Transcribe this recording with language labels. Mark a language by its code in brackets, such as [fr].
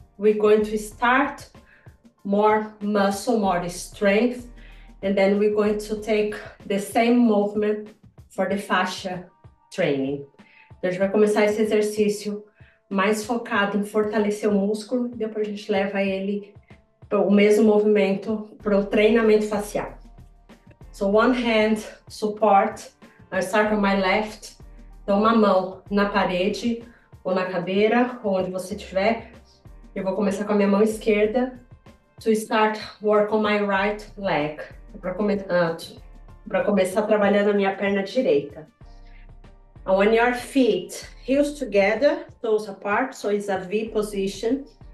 [en] We're going to start more muscle, more strength. And then we're going to take the same movement for the fascia training. [pt] Então a gente vai começar esse exercício mais focado em fortalecer o músculo, e depois a gente leva ele para o mesmo movimento para o treinamento facial. [en] So one hand support, I start from my left. [pt] Então uma mão na parede ou na cadeira, ou onde você estiver. Eu vou começar com a minha mão esquerda [en] to start work on my right leg. [pt] Para começar a trabalhar na minha perna direita. [en] On your feet, heels together, toes apart, so it's a V position.